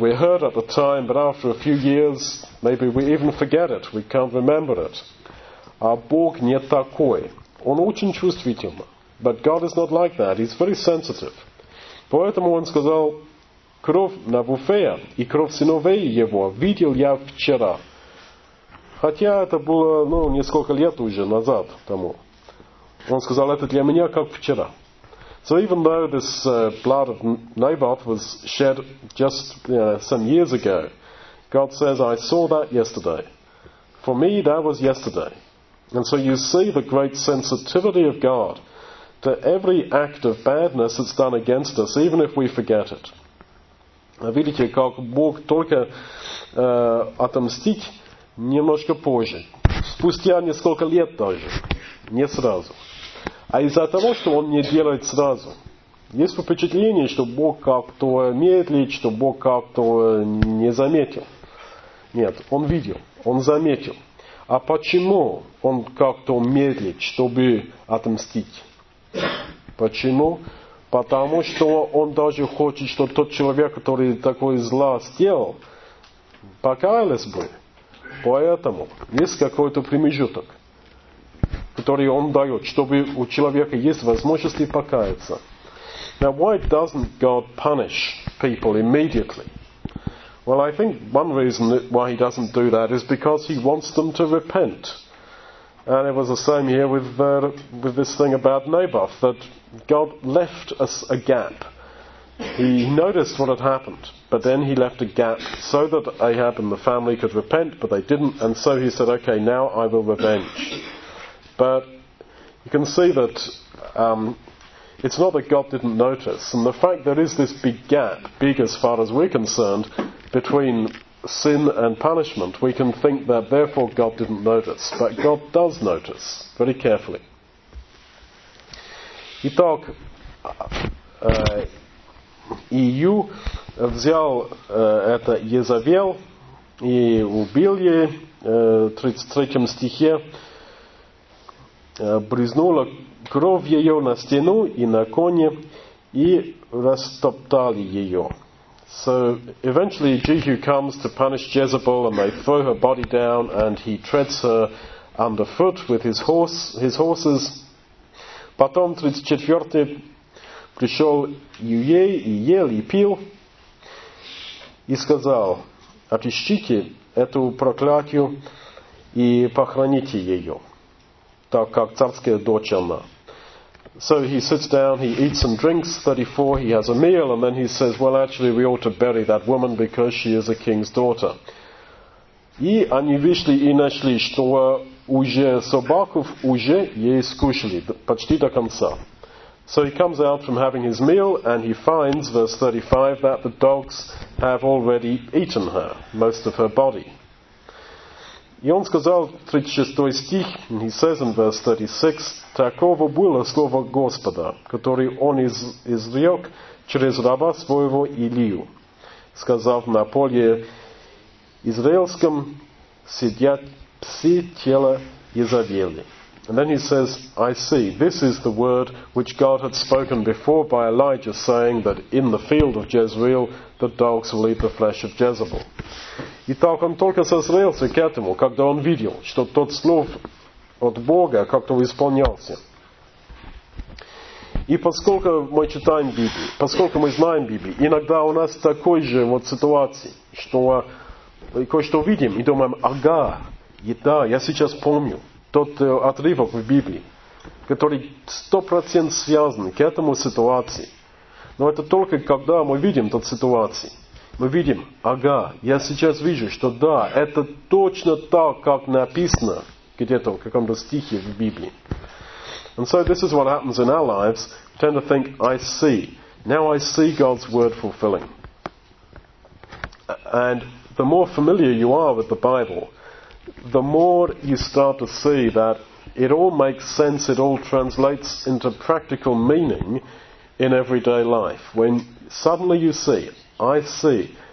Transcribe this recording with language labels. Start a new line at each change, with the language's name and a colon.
English: We heard at the time, but after a few years, maybe we even forget it. We can't remember it.
Russian: А Бог не такой. Он очень чувствительный.
English: But God is not like that. He's very sensitive.
Russian: Поэтому он сказал, кровь Навуфея и кровь сыновей его видел я вчера. Хотя это было, ну, несколько лет уже назад тому. Он сказал, это для меня как вчера.
English: So even though this blood of Naboth was shed just some years ago, God says, I saw that yesterday. For me, that was yesterday. And so you see the great sensitivity of God to every act of badness that's done against us, even if we forget it.
Russian: Видите, как Бог только отомстить немножко позже. Спустя несколько лет даже. Не сразу. А из-за того, что Он не делает сразу. Есть впечатление, что Бог как-то медлит, что Бог как-то не заметил. Нет, Он видел, Он заметил. А почему Он как-то медлит, чтобы отомстить? Почему? Потому что Он даже хочет, чтобы тот человек, который такое зло сделал, покаялся бы. Поэтому есть какой-то промежуток, который Он дает, чтобы у человека есть возможность покаяться.
English: Now, why doesn't God punish people immediately? Well, I think one reason why he doesn't do that is because he wants them to repent. And it was the same here with this thing about Naboth, that God left us a gap. He noticed what had happened, but then he left a gap so that Ahab and the family could repent, but they didn't, and so he said, okay, now I will revenge. But you can see that it's not that God didn't notice, and the fact there is this big gap, big as far as we're concerned, between sin and punishment, we can think that therefore God didn't notice. But God does notice very carefully.
Russian: Итак, Ию взял это Иезавел и убил ее, 33 стихе, брызнула кровь ее на стену и на коне и растоптали ее.
English: So eventually Jehu comes to punish Jezebel and they throw her body down and he treads her underfoot with his horses.
Russian: Потом 34-й пришел Юей и ел и пил и сказал, отыщите эту проклятию и похороните ее, так как царская дочь она.
English: So he sits down, he eats and drinks, 34, he has a meal, and then he says, well, actually, we ought to bury that woman because she is a king's daughter.
Russian: И они вышли и нашли, что уже собаков уже ей скушали, почти до конца.
English: So he comes out from having his meal, and he finds, verse 35, that the dogs have already eaten her, most of her body.
Russian: И он сказал, 36 стих,
English: he says in verse 36,
Russian: «Таково было слово Господа, которое он изрек через раба своего Илию, сказав на поле Израильском, сидят псы тела Иезавели».
English: And then he says, I see, this is the word which God had spoken before by Elijah, saying that in the field of Jezreel, the dogs will eat the flesh of Jezebel.
Russian: Итак, он только созрелся к этому, когда он видел, что тот слов от Бога как-то исполнялся. И поскольку мы читаем Библию, поскольку мы знаем Библию, иногда у нас такой же вот ситуации, что мы кое-что видим и думаем, ага, и да, я сейчас помню тот отрывок в Библии, который 100% связан к этому ситуации. Но это только когда мы видим тот ситуации. Мы видим, ага, я сейчас вижу, что да, это точно так, как написано где-то в каком-то стихе в Библии.
English: And so this is what happens in our lives. We tend to think, I see. Now I see God's word fulfilling. And the more familiar you are with the Bible, the more you start to see that it all makes sense, it all translates into practical meaning in everyday life. When suddenly you see it, I see